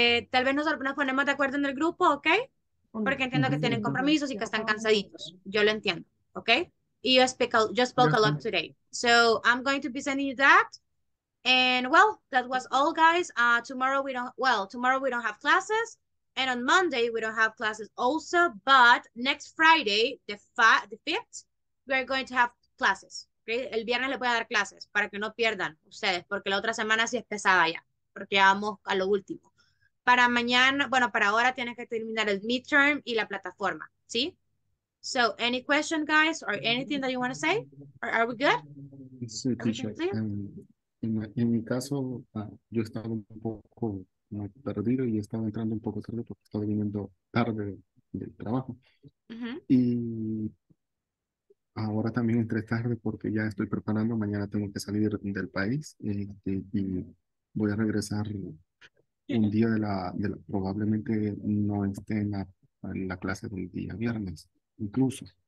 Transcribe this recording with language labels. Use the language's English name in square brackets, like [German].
[Spanish] tal vez nos ponemos de acuerdo en el grupo, ¿ok? Porque entiendo que tienen compromisos y que están cansaditos. Yo lo entiendo, ¿ok? Y yo [English] spoke a lot today. So, I'm going to be sending you that. And well, that was all, guys. Tomorrow we don't have classes, and on Monday we don't have classes also. But next Friday, the fifth, we are going to have classes. [Spanish] Okay, el viernes le voy a dar clases para que no pierdan ustedes, porque la otra semana sí es pesada ya, porque ya vamos a lo último. Para mañana, bueno, para ahora tienes que terminar el midterm y la plataforma, ¿sí? [English] So, any question, guys, or anything that you want to say? Or are we good? [Spanish] Sí, teacher. En mi caso, yo estaba un poco perdido y estaba entrando un poco tarde porque estaba viniendo tarde del trabajo. Uh-huh. Y ahora también entré tarde porque ya estoy preparando. Mañana tengo que salir del país y voy a regresar un día de la, probablemente no esté en la clase del día viernes, incluso.